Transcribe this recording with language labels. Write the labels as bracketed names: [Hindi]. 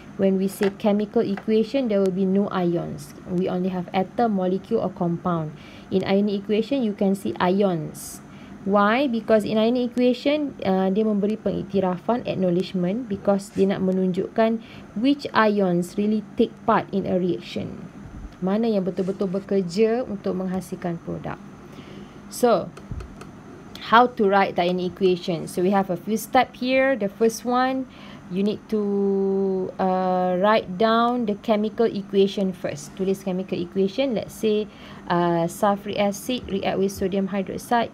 [English] When we say chemical equation, there will be no ions. We only have atom, molecule or compound. In ionic equation, you can see ions. Why? Because in ionic equation, [Malay] dia memberi pengiktirafan, [English] acknowledgement, because [Malay] dia nak menunjukkan [English] which ions really take part in a reaction. [Malay] Mana yang betul-betul bekerja untuk menghasilkan produk. [English] So, how to write that in equation? So, we have a few step here. The first one, you need to write down the chemical equation first. Tulis chemical equation. Let's say sulfuric acid react with sodium hydroxide.